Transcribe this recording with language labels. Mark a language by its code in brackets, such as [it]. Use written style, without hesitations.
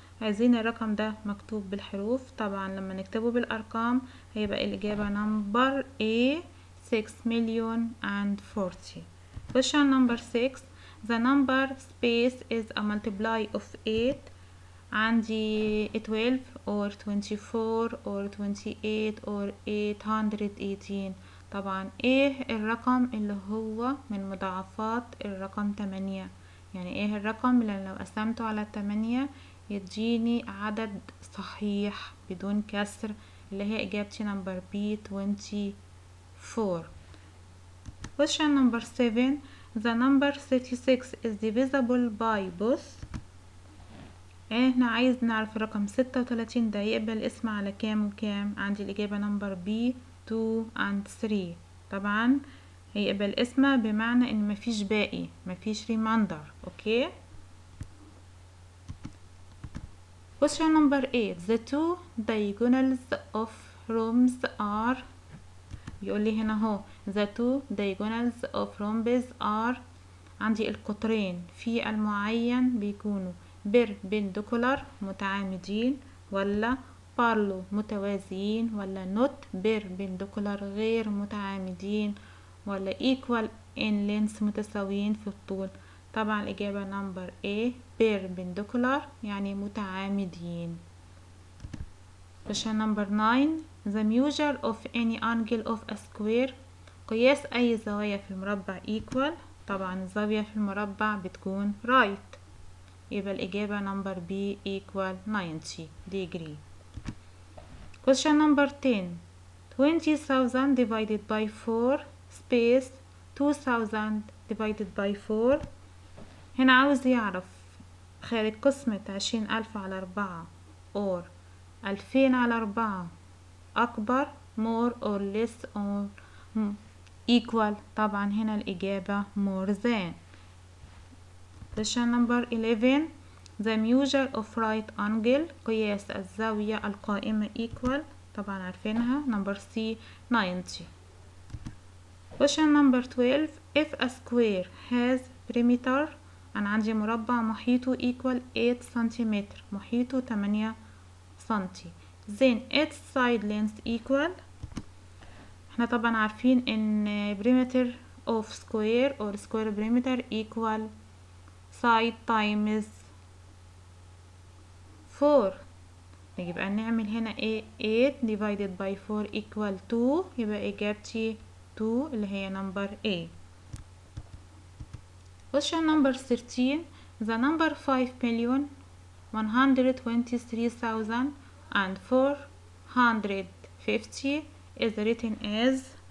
[ar] عايزين الرقم ده مكتوب بالحروف، طبعا لما نكتبه بالأرقام هيبقى الإجابة نمبر A 6,040,000. [en] question number 6: the number space is a multiply of 8. [ar] عندي 12 or 24 or 28 or 818. طبعا ايه الرقم اللي هو من مضاعفات الرقم 8؟ يعني ايه الرقم اللي لو قسمته على 8 يديني عدد صحيح بدون كسر، اللي هي اجابتي نمبر B 24. [en] question number 7: the number 36 is divisible by both. [ar] احنا عايز نعرف رقم 36 ده يقبل اسم على كام وكام. عندي الإجابة نمبر B [en] 2 and 3. [ar] طبعا هيقبل اسم بمعنى ان مفيش باقي، مفيش ريماندر. اوكي. [en] question number 8: the two diagonals of rooms are. [ar] يقول لي هنا هو [en] the two diagonals of rooms are. [ar] عندي القطرين في المعين بيكونوا perpendicular متعامدين ولا parallel متوازيين ولا not perpendicular غير متعامدين ولا [en] equal in length [ar] متساويين في الطول. طبعا الإجابة number A perpendicular يعني متعامدين. [en] question number 9: the measure of any angle of a square. [ar] قياس أي زاوية في المربع equal. طبعا الزاوية في المربع بتكون right، يبقى الإجابة number B equal 90 degree. [en] question number 10: 20,000 divided by 4 space 2,000 divided by 4. [ar] هنا عاوز يعرف خارج قسمة 20,000 على 4 or 2000 على 4 أكبر [en] more or less or equal. [ar] طبعا هنا الإجابة [en] more than. question number 11: the measure of right angle. [ar] قياس الزاوية القائمة [en] equal. [ar] طبعا عارفينها. نمبر سي 90. [en] question number 12 if a square has perimeter, [ar] انا عندي مربع محيطه [en] equal 8 [ar] سنتيمتر، محيطه 8 سنتي، [en] then its side length equal. [ar] احنا طبعا عارفين ان [en] perimeter of square or square perimeter equal side times 4. [ar] نجيب ان نعمل هنا ايه [en] 8 divided by 4 equal 2، [ar] يبقى اجابتي 2 اللي هي number A. [en] question number 13 the number 5,123,450 is written as.